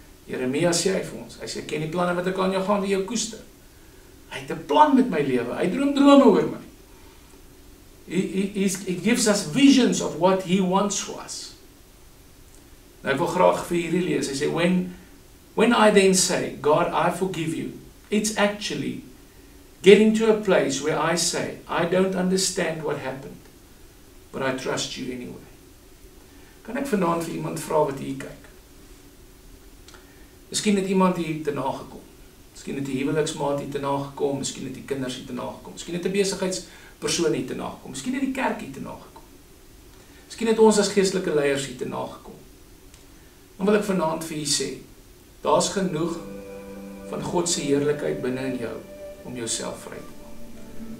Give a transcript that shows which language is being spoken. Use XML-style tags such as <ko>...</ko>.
<af>Jeremia sê hy vir ons, hy sê, ken die planne wat ek aan jou gaan, die jou koester. Hy het 'n plan met my lewe, hy droom drome oor my.</af> <en>He gives us visions of what he once was.</en> <af>Nou ek wil graag vir hierdie lees, hy sê,</af> <en>when I then say, God, I forgive you, it's actually getting to a place where I say, I don't understand what happened, but I trust you anyway.</en> <af>Kan ek vanaand vir iemand vra wat hier kyk? Miskien het iemand hier te na gekom. Miskien het die huweliksmaat hier te na gekom. Miskien het die kinders hier te na gekom. Miskien het die besigheidspersoon hier te na gekom. Miskien het die kerk hier te na gekom. Miskien het ons as geestelike leiers hier te na gekom. Dan wil ek vanaand vir hier sê, daar is genoeg van Godse heerlikheid binnen in jou om jouself vry te maak.</af>